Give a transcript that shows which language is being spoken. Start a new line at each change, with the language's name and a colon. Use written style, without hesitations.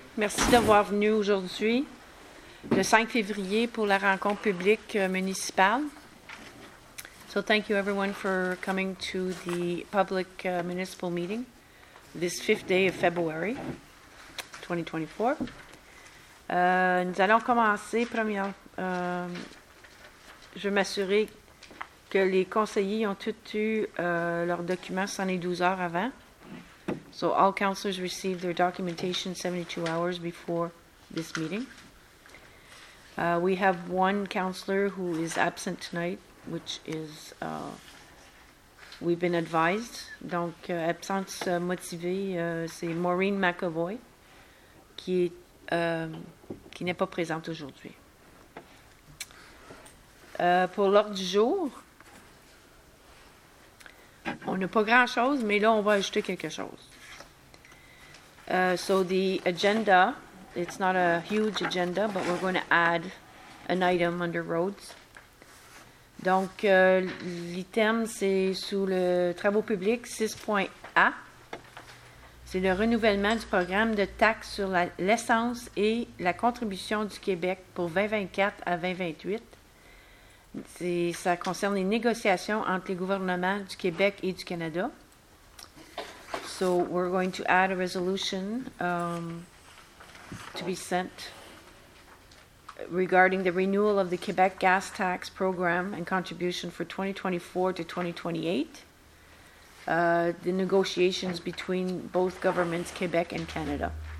French: Merci d'avoir venu aujourd'hui, le 5 février, pour la rencontre publique municipale.
English: So thank you everyone for coming to the public municipal meeting this 5th day of February 2024.
French: Nous allons commencer première. Je vais m'assurer que les conseillers ont tous eu leurs documents 72 heures avant.
English: So all councillors received their documentation 72 hours before this meeting. We have one councillor who is absent tonight, which is, we've been advised.
French: Donc, absence motivée, c'est Maureen McAvoy, qui n'est pas présente aujourd'hui. Pour l'ordre du jour, on n'a pas grand-chose, mais là, on va ajouter quelque chose.
English: So the agenda, it's not a huge agenda, but we're going to add an item under roads.
French: Donc, l'item, c'est sous le travaux publics 6.A. C'est le renouvellement du programme de taxe sur l'essence et la contribution du Québec pour 2024 à 2028. Ça concerne les négociations entre les gouvernements du Québec et du Canada.
English: So we're going to add a resolution to be sent regarding the renewal of the Quebec gas tax program and contribution for 2024 to 2028, the negotiations between both governments, Quebec and Canada.